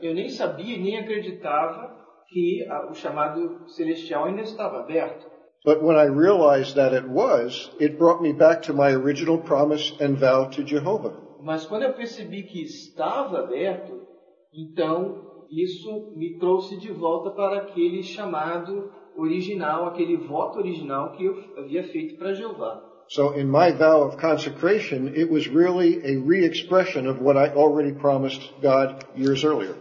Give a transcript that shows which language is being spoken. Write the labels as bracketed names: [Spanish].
[Portuguese] Eu nem sabia nem acreditava que o chamado celestial ainda estava aberto. [English] But when I realized that it was, it brought me back to my original promise and vow to Jehovah. [Portuguese] Mas quando eu percebi que estava aberto, então isso me trouxe de volta para aquele chamado original, aquele voto original que eu havia feito para Jeová. [English] So in my vow of consecration, it was really a re-expression of what I already promised God years earlier.